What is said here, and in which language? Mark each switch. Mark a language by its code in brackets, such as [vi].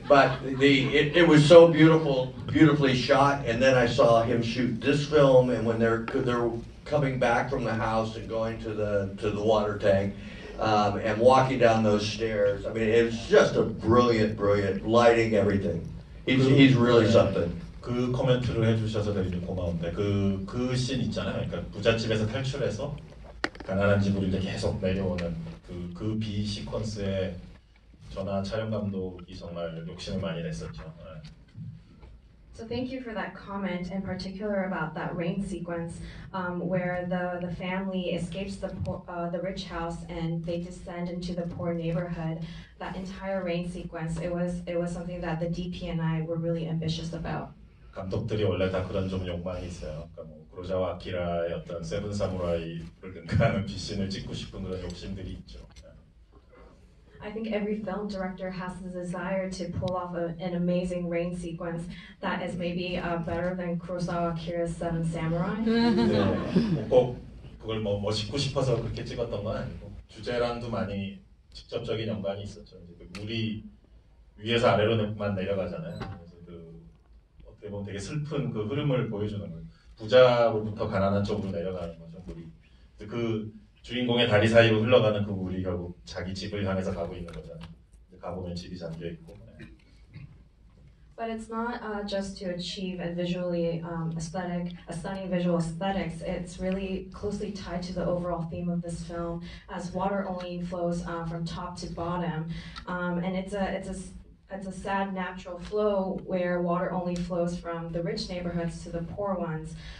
[en] But it was so beautifully shot, and then I saw him shoot this film, and when they're coming back from the house and going to the water tank and walking down those stairs. I mean, it's just a brilliant, brilliant lighting, everything. He's really something. [ko] 그 코멘트를 해주셔서 되게 고마운데 그 씬 있잖아요. 그러니까 부잣집에서 탈출해서 가난한 집으로 이제 계속 내려오는 그 비 시퀀스에 전화 촬영 감독이 정말 욕심을 많이 냈었죠. [en] So thank you for that comment, in particular about that rain sequence where the family escapes the rich house and they descend into the poor neighborhood. That entire rain sequence, it was something that the DP and I were really ambitious about. [ko] 감독들이 원래 다 그런 좀 욕망이 있어요. 그러니까 뭐 크로자와 아키라의 어떤 세븐 사무라이를 등장하는 비씬을 찍고 싶은 그런 욕심들이 있죠. [en] I think every film director has the desire to pull off an amazing rain sequence that is maybe better than Kurosawa Akira's Seven Samurai. [ko] 꼭 그걸 뭐 멋있고 싶어서 그렇게 찍었던 건 아니고 주제랑도 많이 직접적인 연관이 있었죠. 이제 그 물이 위에서 아래로만 내려가잖아요. 그래서 그 어떻게 보면 되게 슬픈 그 흐름을 보여주는 거예요. 부자로부터 가난한 쪽으로 내려가는 거죠, 물이. 그 주인공의 다리 사이로 흘러가는 그 물이 결국 자기 집을 향해서 가고 있는 거잖아요. 가보면 집이 잠겨 있고. [en] But it's not just to achieve a visually aesthetic, a stunning visual aesthetics. It's really closely tied to the overall theme of this film, as water only flows from top to bottom, and it's a it's a sad natural flow where water only flows from the rich neighborhoods to the poor ones.